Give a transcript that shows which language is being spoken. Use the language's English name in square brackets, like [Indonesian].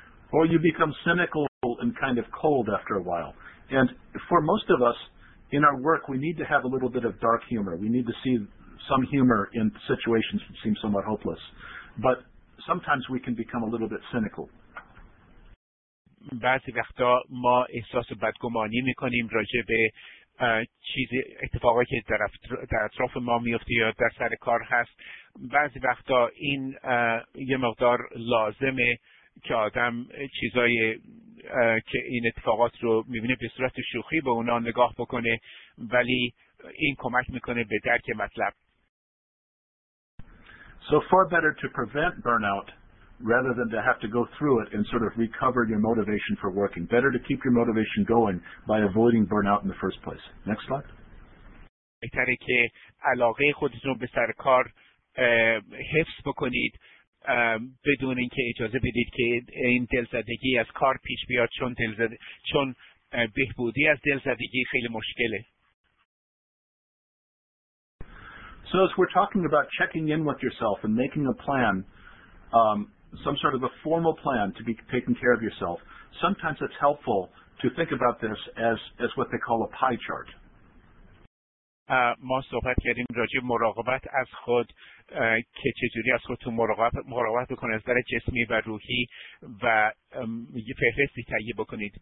[English] Or you become cynical and kind of cold after a while. And for most of us in our work, we need to have a little bit of dark humor. We need to see some humor in situations that seem somewhat hopeless. But sometimes we can become a little bit cynical. [Persian] بعضی وقتا ما احساس بدگمانی میکنیم راجع به چیزی، اتفاقی که در اطراف ما میفته یا در سر کار هست. بعضی وقتا این یه مقدار لازمه که آدم چیزای که این اتفاقات رو میبینه به صورت شوخی به اونا نگاه بکنه، ولی این کمک میکنه به درک مطلب. [English] So far better to prevent burnout rather than to have to go through it and sort of recover your motivation for working. Better to keep your motivation going by avoiding burnout in the first place. Next slide. [Persian] بهتره که علاقه خودتون به سر کار حفظ بکنید بدون اینکه اجازه بدید که این دلزدگی از کار پیش بیاد، چون بهبودی از دلزدگی خیلی مشکله. [English] So as we're talking about checking in with yourself and making a plan, some sort of a formal plan to be taking care of yourself, sometimes it's helpful to think about this as what they call a pie chart. [Persian] ما صحبت کردیم راجع به مراقبت از خود، که چجوری از خودتون مراقبت بکنه از نظر جسمی و روحی، و یه فهرستی تهیه بکنید.